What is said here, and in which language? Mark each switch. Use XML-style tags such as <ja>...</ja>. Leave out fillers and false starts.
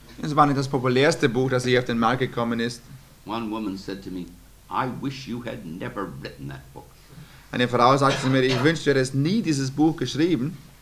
<de>Es war nicht das populärste Buch, das je auf den Markt gekommen ist.</de> <en>One woman said to me, I wish you had never written that book.</en> <de>Eine Frau sagte mir, ich wünschte, du hättest nie dieses Buch geschrieben.</de>